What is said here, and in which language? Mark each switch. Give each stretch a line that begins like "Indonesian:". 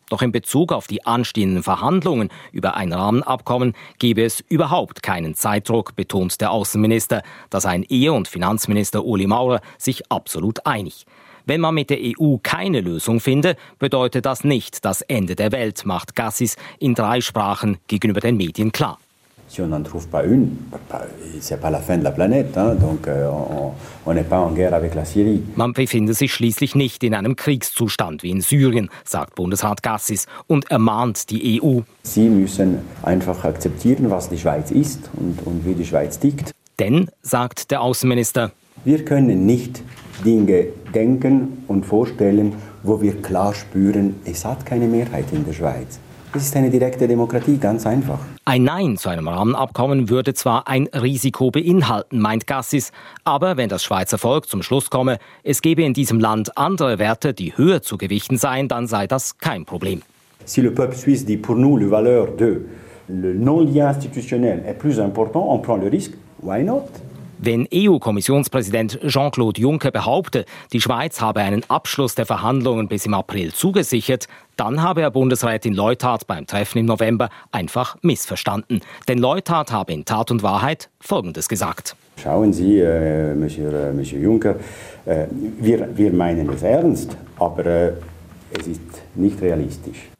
German: Doch in Bezug auf die anstehenden Verhandlungen über ein Rahmenabkommen gebe es überhaupt keinen Zeitdruck, betont der Außenminister. Da seien Ehe- und Finanzminister Uli Maurer sich absolut einig. Wenn man mit der EU keine Lösung finde, bedeutet das nicht das Ende der Welt, macht Gassis in drei Sprachen gegenüber den Medien klar.
French: Si on n'en trouve pas une, c'est pas la fin de la planète, hein? Donc on n'est pas en guerre avec la Syrie.
German: Man befinde sich schließlich nicht in einem Kriegszustand wie in Syrien, sagt Bundesrat Gassis und ermahnt die EU. Sie müssen einfach akzeptieren, was die Schweiz ist und wie die Schweiz tickt. Denn, sagt der Außenminister, wir können nicht Dinge denken und vorstellen, wo wir klar spüren, es hat keine Mehrheit in der Schweiz. Es ist eine direkte Demokratie, ganz einfach. Ein Nein zu einem Rahmenabkommen würde zwar ein Risiko beinhalten, meint Gassis, aber wenn das Schweizer Volk zum Schluss komme, es gebe in diesem Land andere Werte, die höher zu gewichten seien, dann sei das kein Problem.
French: Si le peuple suisse dit pour nous le valeur de le non-lien institutionnel est plus important, on prend le risque,
English: why not?
German: Wenn EU-Kommissionspräsident Jean-Claude Juncker behaupte, die Schweiz habe einen Abschluss der Verhandlungen bis im April zugesichert, dann habe er Bundesrätin Leuthard beim Treffen im November einfach missverstanden. Denn Leuthard habe in Tat und Wahrheit Folgendes gesagt. Schauen Sie, Monsieur Juncker, wir meinen es ernst, aber es ist nicht realistisch.